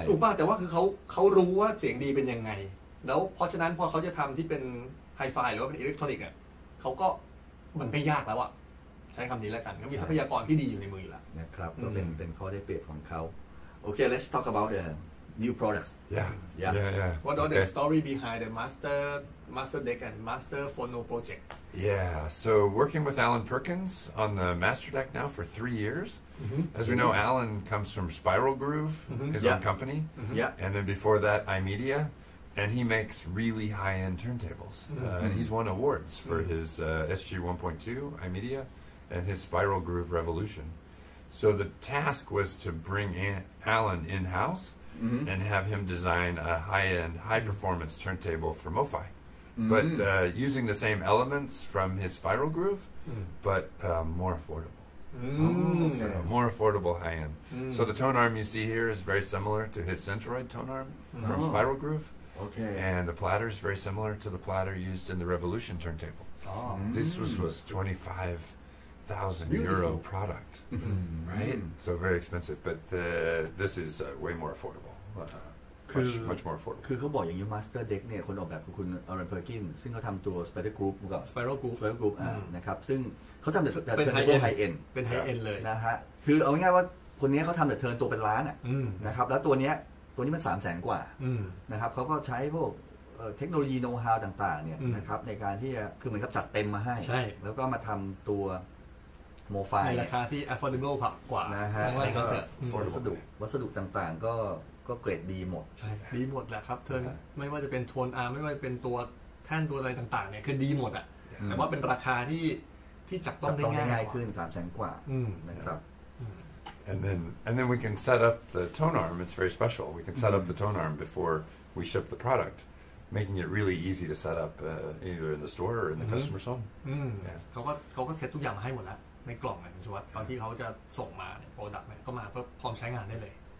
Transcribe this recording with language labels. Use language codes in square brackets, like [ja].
[th] ถูกป่ะแต่ว่าคือเขารู้ว่าเสียงดีเป็นยังไงแล้วเพราะฉะนั้นพอเขาจะทำที่เป็นไฮไฟหรือว่าเป็นอิเล็กทรอนิกส์อ่ะเขาก็มันไม่ยากแล้วอ่ะใช้คำนี้แล้วกันก็มีทรัพยากรที่ดีอยู่ในมือแล้ว นะครับก็เป็นข้อได้เปรียบของเขาโอเค [en] let's talk about the new products yeah what are the story behind the master deck and master phono project yeah so working with Alan Perkins on the master deck now for 3 years mm-hmm. as we know Alan comes from Spiral Groove mm-hmm. his own company mm-hmm. yeah and then before that iMedia and he makes really high end turntables mm-hmm. and he's won awards for mm-hmm. his SG1.2 iMedia and his Spiral Groove Revolution. So the task was to bring Alan in-house mm-hmm. and have him design a high-end, high-performance turntable for MoFi. Mm-hmm. But using the same elements from his Spiral Groove, mm-hmm. but more affordable. Mm-hmm. So more affordable high-end. Mm-hmm. So the tone arm you see here is very similar to his Centroid tone arm mm-hmm. from Spiral Groove. Okay. And the platter is very similar to the platter used in the Revolution turntable. Oh. Mm-hmm. This was 25,000 euro product, right? Mm-hmm. So very expensive, but this is way more affordable. Much more affordable. [th] คือเขาบอกอย่างนี้ Master Deck เนี่ยคนออกแบบคือคุณ Alan Perkins ซึ่งเขาทำตัว Spiral Groove ก่อน [en] Spiral Groove [th] นะครับซึ่งเขาทำแต่ [en] Turntable High End [th] เป็น High End เลย นะฮะคือเอาง่ายๆว่าคนนี้เขาทำแต่Turn ตัวเป็นล้าน อ่ะนะครับแล้วตัวนี้มัน 300,000 กว่านะครับเขาก็ใช้พวกเทคโนโลยีโนว์ฮาวต่างๆเนี่ยนะครับในการที่จะคือเหมือนกับจัดเต็มมาให้ แล้วก็มาทำตัวโมไฟ ในราคาที่ affordable พอกว่าน ะฮะ แล้วก็ วัสดุต่างๆก็เกรดดีหมด ใช่ดีหมดแหละครับเธอไม่ว่าจะเป็นโทนอาร์ไม่ว่าจะเป็นตัวแท่นตัวอะไรต่างๆเนี่ยคือดีหมดอ่ะแต่ว่าเป็นราคาที่จับต้องได้ ง่ายขึ้น 300,000 กว่าน ะ ครับ [en] and then we can set up the tone arm it's very special we can set up the tone arm before we ship the productmaking it really easy to set up either in the store or in the customer's home [th] เขาก็เซ็ตทุกอย่างมาให้หมดแล้วในกล่องอ่ะคุณชวัชตอนที่เขาจะส่งมาเนี่ยโปรดักต์เนี่ยก็มาพร้อมใช้งานได้เลย